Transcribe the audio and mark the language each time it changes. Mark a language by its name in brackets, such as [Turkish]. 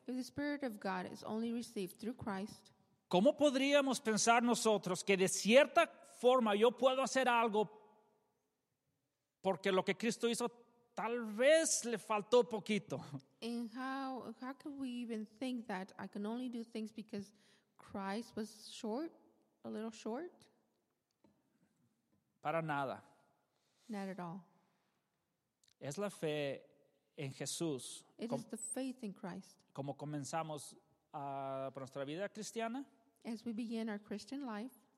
[English] If the Spirit of God is only received through Christ. [Spanish] ¿Cómo podríamos pensar nosotros que de cierta forma yo puedo hacer algo porque lo que Cristo hizo tal vez le faltó poquito? [English] And how can we even think that I can only do things because Christ was short, a little short? [Spanish] Para nada. [English] Not at all. [Spanish] Es la fe en Jesús. [English] It is the faith in Christ. [Spanish] Como comenzamos por nuestra vida cristiana. [English] As we begin our Christian life.